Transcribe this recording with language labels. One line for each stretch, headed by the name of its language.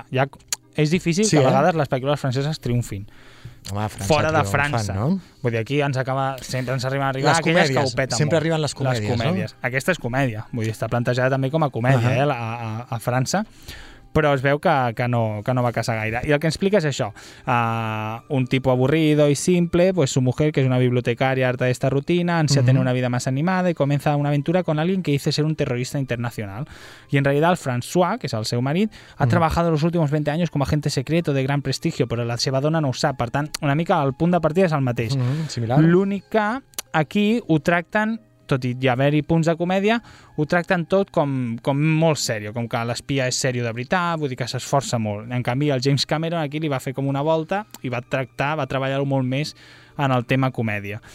Catalan: Ja és difícil sí, que a vegades les pel·lícules franceses triomfin. Home, França, fora de França. França. No? Vull dir, aquí ens acaba, sempre ens arriben a arribar les aquelles comèdies, que ho peten sempre molt. Arriben les comèdies. Les comèdies. No? Aquesta és comèdia. Vull dir, està plantejada també com a comèdia a França. Però es veu que no va caçar gaire. I el que explica és això.
Spanish: Un tipo aburrido y simple, pues su mujer, que es una bibliotecaria harta de esta rutina, ansia uh-huh. Tener una vida más animada y comienza una aventura con alguien que dice ser un terrorista internacional. Y en realidad el François,
Catalan: que es el seu marit,
Spanish: ha uh-huh. Trabajado los últimos 20 años como agente secreto de gran prestigio, pero
Catalan: la seva dona no ho sap. Per tant, una mica el punt de partida és el mateix. Uh-huh. Similar. L'únic que aquí ho tracten, tot i haver-hi punts de comèdia, ho tracten tot com molt seriós, com que l'espia és seriós de veritat, vull dir que s'esforça molt. En canvi, el James Cameron aquí li va fer com una volta i va treballar-ho molt més en el tema comèdia.